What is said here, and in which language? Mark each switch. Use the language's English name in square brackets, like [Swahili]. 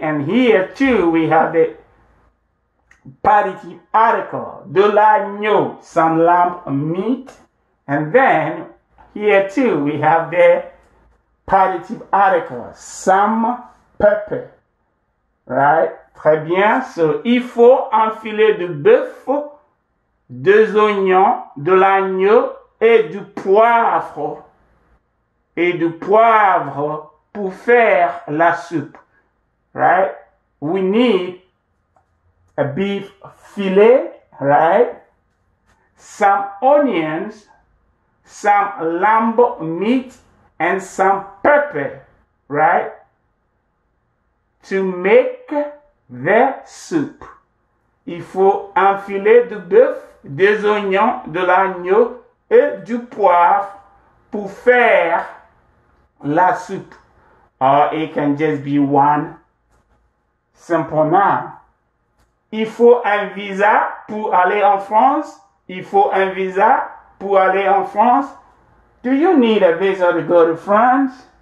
[English] And here too, we have the particip article, de l'agneau, some lamb meat. And then here too, we have the particip article, some pepper, right? [French] Très bien. So, il faut un filet de bœuf, deux oignons, de l'agneau et du poivre. Et du poivre pour faire la soupe. Right? [English] We need a beef filet, right? Some onions, some lamb meat and some pepper, right? To make the soup. [French] Il faut un filet de bœuf, des oignons, de l'agneau et du poivre pour faire la soupe. [English] Or it can just be one simple noun. [French] Il faut un visa pour aller en France. Il faut un visa pour aller en France. [English] Do you need a visa to go to France?